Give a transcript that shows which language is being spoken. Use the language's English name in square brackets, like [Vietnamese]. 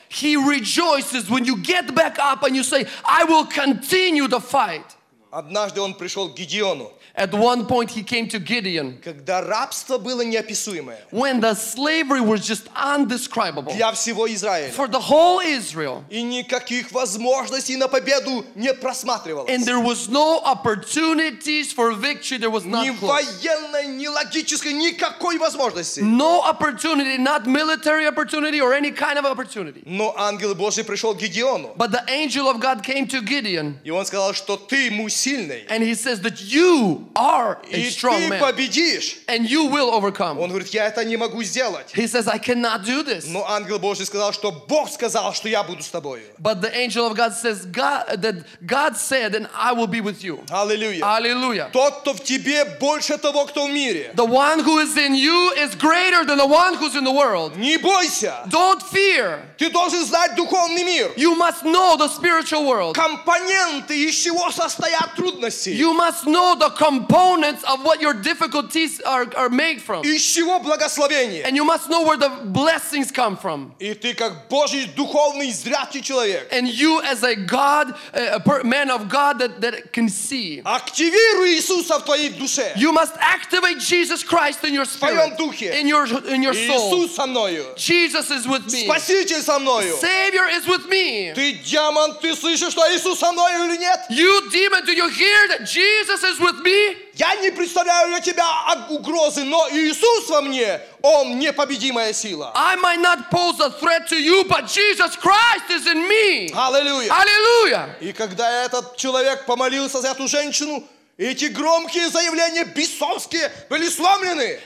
[English] He rejoices when you get back up and you say, I will continue the fight. [Russian] Однажды он пришел к Гидеону. [English] At one point he came to Gideon. [Russian] Когда рабство было неописуемое. [English] When the slavery was just indescribable. [Russian] Для всего Израиля. [English] For the whole Israel. [Russian] И никаких возможностей на победу не просматривалось. [English] And there was no opportunities for victory. There was not [Russian] ни военной, ни логической, никакой возможности. [English] No opportunity, not military opportunity or any kind of opportunity. [Russian] Но ангел Божий пришел к Гидеону. [English] But the angel of God came to Gideon. [Russian] И он сказал, что ты сильный. [English] And he says that you are a strong man. [Russian] Победишь. [English] And you will overcome. [Russian] Он говорит, я это не могу сделать. [English] He says, I cannot do this. [Russian] Но ангел Божий сказал, что Бог сказал, что я буду с тобой. [English] But the angel of God says, God said, and I will be with you. Hallelujah. Hallelujah. [Russian] Тот, кто в тебе, больше того, кто в мире. [English] The one who is in you is greater than the one who's in the world. [Russian] Не бойся. [English] Don't fear. [Russian] Ты должен знать духовный мир. [English] You must know the spiritual world. [Russian] Компоненты, из чего состоят трудности. [English] You must know the components of what your difficulties are made from. [Russian] Из чего благословение? [English] And you must know where the blessings come from. [Russian] И ты как Божий духовный зрячий человек. [English] And you as a God, man of God that can see. [Russian] Активируй Иисуса в твоей душе. [English] You must activate Jesus Christ in your spirit. [Russian] В твоем духе. [English] In your soul. [Russian] Иисус со мною. [English] Jesus is with me. [Russian] Спаситель со мною. [English] Savior is with me. [Russian] Ты демон, ты слышишь, что Иисус со мною или нет? [English] You demon, do you hear that Jesus is with me? [Russian] Я не представляю для тебя угрозы, но Иисус во мне, Он непобедимая сила. [English] I might not pose a threat to you, but Jesus Christ is in me. Hallelujah. Hallelujah. [Russian] И когда этот человек помолился за эту женщину, эти громкие заявления бесовские были сломлены.